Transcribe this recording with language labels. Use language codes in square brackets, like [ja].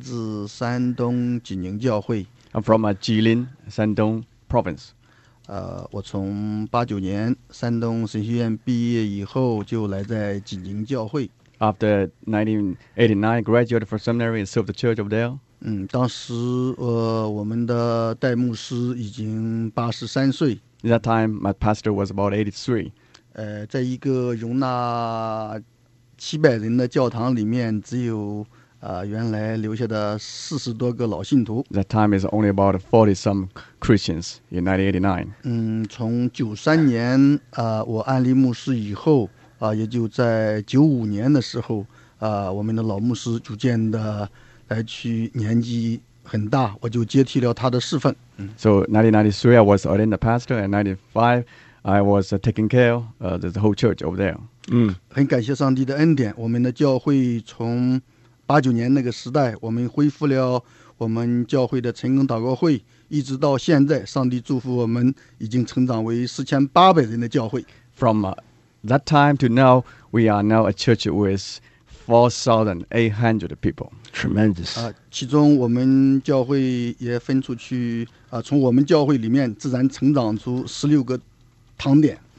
[zh] 我是来自山东济宁教会。 [en] I'm from Jilin, Shandong Province. [zh] 我从89年山东神学院毕业以后就来在济宁教会。 [en] After 1989, graduated from seminary and served the church of there. [zh] 当时我们的代牧师已经83岁。 [en] At that time, my pastor was about 83. [zh] 在一个容纳700人的教堂里面只有 原来留下的40多个老信徒。 [en] That time is only about 40-some Christians in 1989. [zh] 从93年 我安立牧师以后 也就在95年的时候 我们的老牧师逐渐的来去年纪很大 我就接替了他的侍奉。 [en] So 1993 I was ordained the pastor, and 1995 I was taking care of the whole church over there. [zh] 很感谢上帝的恩典 我们的教会从 89年那个时代，我们恢复了我们教会的成功祷告会， 一直到现在，上帝祝福我们已经成长为4,800人的教会。 [en] From that time to now, we are now a church with 4,800 people. Tremendous. [zh] 其中我们教会也分出去， 从我们教会里面自然成长出16个堂点。